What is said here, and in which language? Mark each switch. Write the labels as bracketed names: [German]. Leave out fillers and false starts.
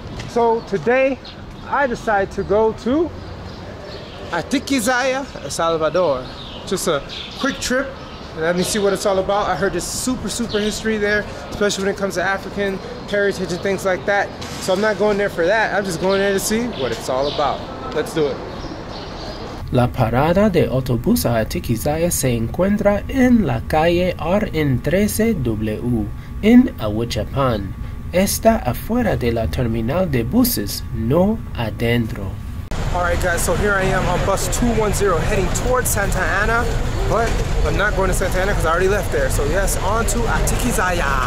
[English] So today, I decide to go to Atiquizaya, El Salvador. Just a quick trip. Let me see what it's all about. I heard there's super, super history there, especially when it comes to African heritage and things like that. So I'm not going there for that. I'm just going there to see what it's all about. Let's do it. [Spanish] La parada de autobús a Atiquizaya se encuentra en la calle RN13W en Ahuachapan. Está afuera de la terminal de buses, no adentro. [English] All right, guys, so here I am on bus 210 heading towards Santa Ana, but I'm not going to Santa Ana because I already left there. So yes, on to Atiquizaya.